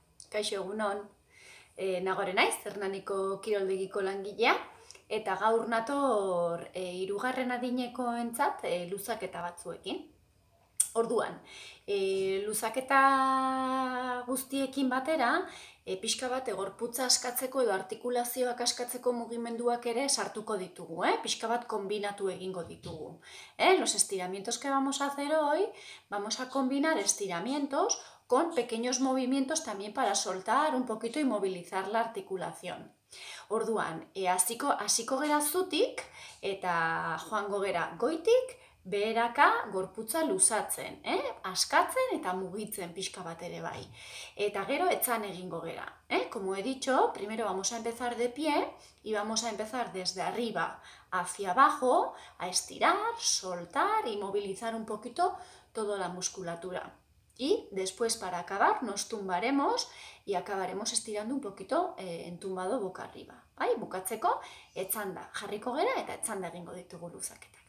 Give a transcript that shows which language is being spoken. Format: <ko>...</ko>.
<eu>Kaixo, egunon, nagore naiz, Hernaniko kiroldegiko langilea, eta gaur nator hirugarren adinekoentzat luzaketa batzuekin. Orduan, luzaketa guztiekin batera, pixka bat gorputza askatzeko edo artikulazioak askatzeko mugimenduak ere sartuko ditugu, pixka bat kombinatu egingo ditugu.</eu> <es>Los estiramientos que vamos a hacer hoy, vamos a combinar estiramientos con pequeños movimientos también para soltar un poquito y movilizar la articulación.</es> <eu>Orduan, hasiko gera zutik eta joango gera goitik, beheraka gorputza luzatzen, askatzen eta mugitzen pixka bat ere bai. Eta gero etzan egingo gera.</eu> <es>Como he dicho, primero vamos a empezar de pie y vamos a empezar desde arriba hacia abajo a estirar, soltar y movilizar un poquito toda la musculatura. Y después, para acabar, nos tumbaremos y acabaremos estirando un poquito entumbado boca arriba.</es> <eu>Ahí, bukatzeko, etzanda. Jarriko gera eta etzanda egingo ditugu luzaketak.</eu>